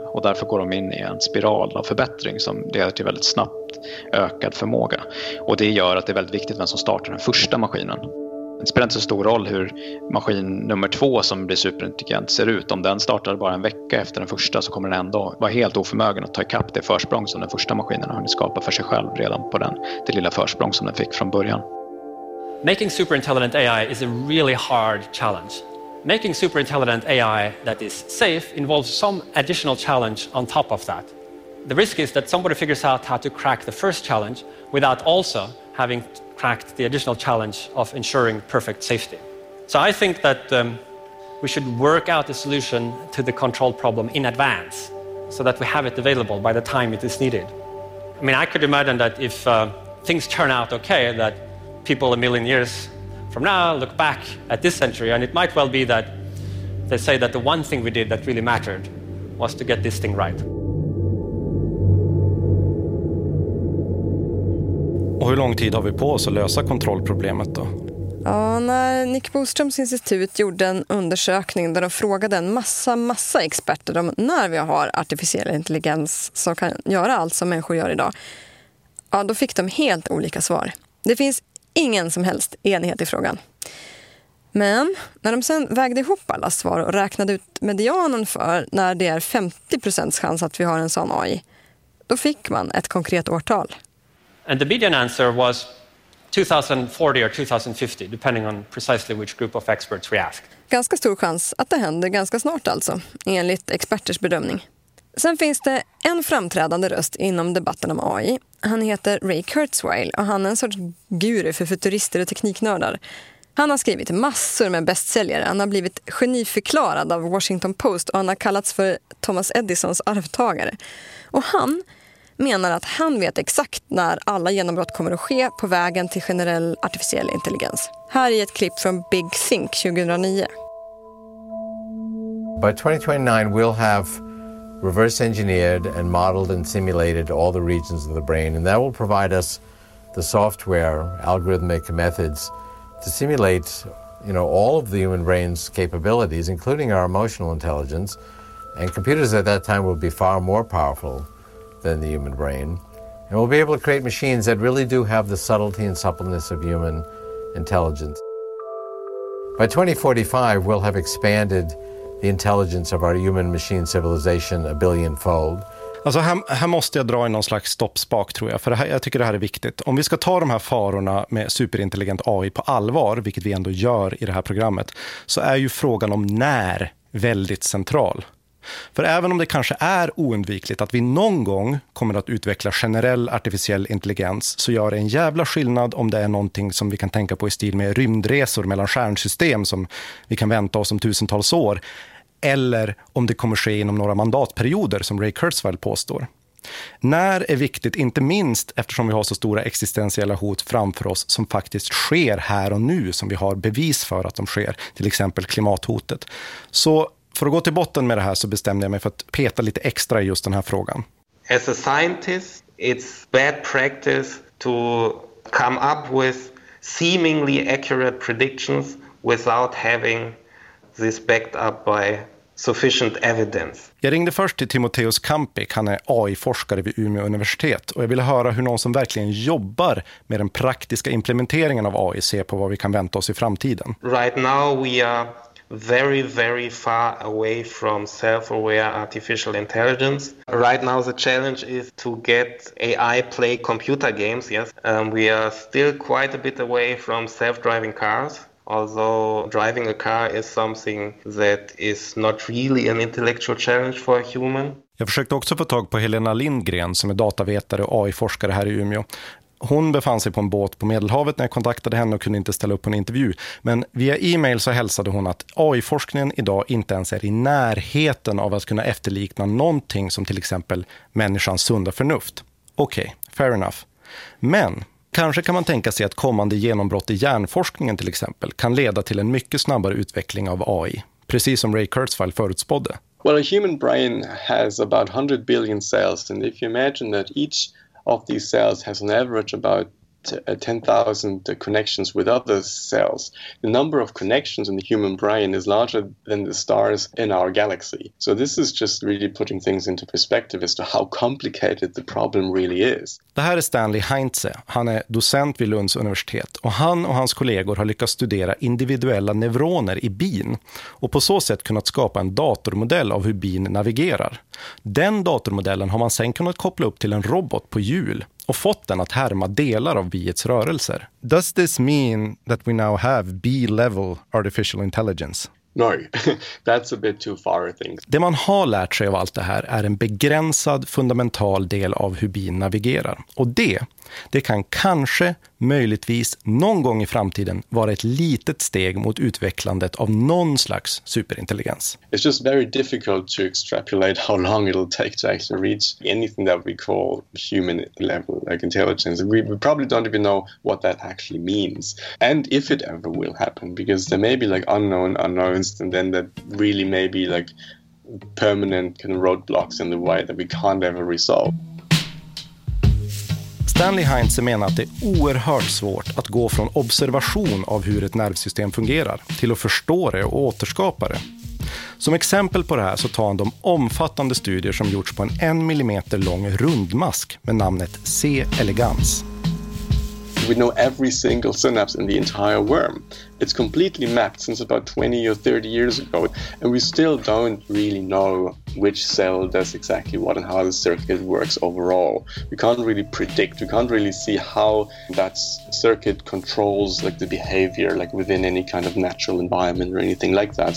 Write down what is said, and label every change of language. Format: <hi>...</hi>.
<sv>Och därför går de in i en spiral av förbättring som leder till väldigt snabbt ökad förmåga. Och det gör att det är väldigt viktigt vem som startar den första maskinen. Det spelar inte så stor roll hur maskin nummer två som blir superintelligent ser ut. Om den startar bara en vecka efter den första så kommer den ändå vara helt oförmögen att ta ikapp det försprång som den första maskinen har skapat för sig själv redan på den, det lilla försprång som den fick från början.</sv> <en>Making superintelligent AI is a really hard challenge. Making superintelligent AI that is safe involves some additional challenge on top of that. The risk is that somebody figures out how to crack the first challenge without also having cracked the additional challenge of ensuring perfect safety. So I think that we should work out a solution to the control problem in advance so that we have it available by the time it is needed. I mean, I could imagine that if things turn out okay, that people a million years from now look back at this century, and it might well be that they say that the one thing we did that really mattered was to get this thing right.</en> <sv>Och hur lång tid har vi på oss att lösa kontrollproblemet då? Ja, när Nick Boströms institut gjorde en undersökning där de frågade en massa experter om när vi har artificiell intelligens som kan göra allt som människor gör idag, ja, då fick de helt olika svar. Det finns ingen som helst enighet i frågan. Men när de sen vägde ihop alla svar och räknade ut medianen för när det är 50% chans att vi har en sån AI, då fick man ett konkret årtal.</sv> <en>And the median answer was 2040 or 2050, depending on precisely which group of experts we asked.</en> <sv>Ganska stor chans att det händer ganska snart alltså, enligt experters bedömning. Sen finns det en framträdande röst inom debatten om AI. Han heter Ray Kurzweil och han är en sorts guru för futurister och tekniknördar. Han har skrivit massor med bästsäljare. Han har blivit geniförklarad av Washington Post och han har kallats för Thomas Edisons arvtagare. Och han menar att han vet exakt när alla genombrott kommer att ske på vägen till generell artificiell intelligens. Här är ett klipp från Big Think 2009.</sv> <en>By 2029 we'll have reverse engineered and modeled and simulated all the regions of the brain, and that will provide us the software, algorithmic methods to simulate, you know, all of the human brain's capabilities, including our emotional intelligence, and computers at that time will be far more powerful than the human brain, and we'll be able to create machines that really do have the subtlety and suppleness of human intelligence. By 2045, we'll have expanded the intelligence of our human-machine civilization a billionfold.</en> <sv>Alltså här måste jag dra in någon slags stoppspak, tror jag, för jag tycker det här är viktigt. Om vi ska ta de här farorna med superintelligent AI på allvar, vilket vi ändå gör i det här programmet, så är ju frågan om när väldigt central. För även om det kanske är oundvikligt att vi någon gång kommer att utveckla generell artificiell intelligens, så gör det en jävla skillnad om det är någonting som vi kan tänka på i stil med rymdresor mellan stjärnsystem som vi kan vänta oss om tusentals år, eller om det kommer ske inom några mandatperioder som Ray Kurzweil påstår. När är viktigt inte minst eftersom vi har så stora existentiella hot framför oss som faktiskt sker här och nu, som vi har bevis för att de sker, till exempel klimathotet. Så för att gå till botten med det här så bestämde jag mig för att peta lite extra i just den här frågan.</sv> <en>As a scientist, it's bad practice to come up with seemingly accurate predictions without having this backed up by sufficient evidence.</en> <sv>Jag ringde först till Timoteus Kampik, han är AI-forskare vid Umeå universitet, och jag ville höra hur någon som verkligen jobbar med den praktiska implementeringen av AI ser på vad vi kan vänta oss i framtiden.</sv> <en>Right now we are very, very far away from self-aware artificial intelligence. Right now the challenge is to get AI play computer games, yes. We are still quite a bit away from self-driving cars, although driving a car is something that is not really an intellectual challenge for a human.</en> <sv>Jag försökte också få tag på Helena Lindgren som är datavetare och AI-forskare här i Umeå. Hon befann sig på en båt på Medelhavet när jag kontaktade henne och kunde inte ställa upp på en intervju. Men via e-mail så hälsade hon att AI-forskningen idag inte ens är i närheten av att kunna efterlikna någonting som till exempel människans sunda förnuft. Okej,</sv> <en>fair enough.</en> <sv>Men kanske kan man tänka sig att kommande genombrott i hjärnforskningen till exempel kan leda till en mycket snabbare utveckling av AI, precis som Ray Kurzweil förutspådde.</sv> <en>Well, a human brain has about 100 billion cells, and if you imagine that each of these cells has on average about 10,000 connections with other cells. The number of connections in the human brain is larger than the stars in our galaxy. So this is just really putting things into perspective as to how complicated the problem really is.</en> <sv>Det här är Stanley Heinze. Han är docent vid Lunds universitet och han och hans kollegor har lyckats studera individuella neuroner i bin och på så sätt kunnat skapa en datormodell av hur bin navigerar. Den datormodellen har man sen kunnat koppla upp till en robot på hjul och fått den att härma delar av biets rörelser.</sv> <en>Does this mean that we now have B-level artificial intelligence? No, that's a bit too far a thing.</en> <sv>Det man har lärt sig av allt det här är en begränsad fundamental del av hur bin navigerar. Och det kan kanske, möjligtvis, någon gång i framtiden vara ett litet steg mot utvecklandet av någon slags superintelligens.</sv> <en>It's just very difficult to extrapolate how long it'll take to actually reach anything that we call human level, like intelligence. We probably don't even know what that actually means. And if it ever will happen, because there may be like unknown unknowns, and then that really may be like permanent kind of roadblocks in the way that we can't ever resolve.</en> <sv>Stanley Heinze menar att det är oerhört svårt att gå från observation av hur ett nervsystem fungerar till att förstå det och återskapa det. Som exempel på det här så tar han de omfattande studier som gjorts på en 1 millimeter lång rundmask med namnet C. elegans.</sv> <en>We know every single synapse in the entire worm. It's completely mapped since about 20 or 30 years ago. And we still don't really know which cell does exactly what and how the circuit works overall. We can't really predict, we can't really see how that circuit controls like the behavior like within any kind of natural environment or anything like that.</en>